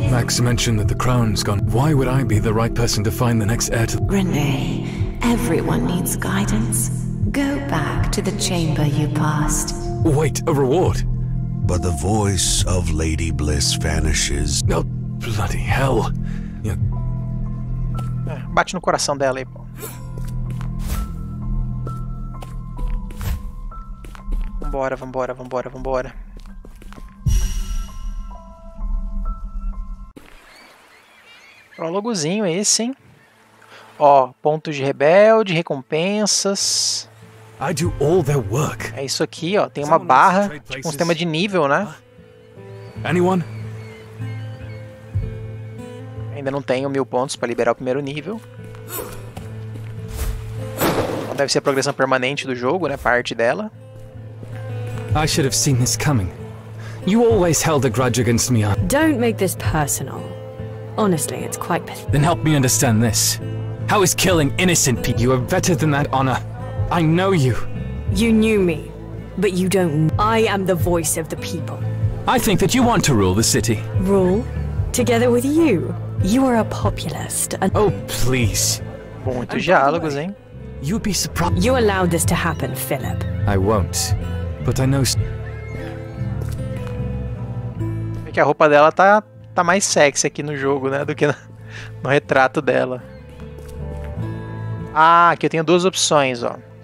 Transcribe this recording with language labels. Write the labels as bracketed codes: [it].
[en] Max mentioned that the crown's gone. Why would I be the right person to find the next heir to? Renee, everyone needs guidance. Go back to the chamber you passed. Wait, a reward? But the voice of Lady Bliss vanishes. No, oh, bloody hell. [pt] Bate no coração dela aí, pô. Vambora, vambora, vambora, vambora. Prólogozinho esse, hein? Ó, pontos de rebelde, recompensas. [en] I do all their work. [pt] É isso aqui, ó. Tem uma barra, tipo um sistema de nível, né? [en] Anyone? [pt] Ainda não tenho 1000 pontos para liberar o primeiro nível. Deve ser a progressão permanente do jogo, né? Parte dela. [en] I should have seen this coming. You always held a grudge against me. Don't make this personal. Honestly, it's quite pathetic. Then help me understand this. How is killing innocent people? You are better than that, Anna. I know you. You knew me, but you don't. I am the voice of the people. I think that you want to rule the city. Rule? Together with you. You are a populist. And... Oh, please. [pt] Muitos diálogos, hein? [en] You'd be surprised. You allowed this to happen, Philip. I won't. But I know. [pt] É que a roupa dela tá mais sexy aqui no jogo, né, do que no retrato dela. Ah, aqui eu tenho duas opções, ó.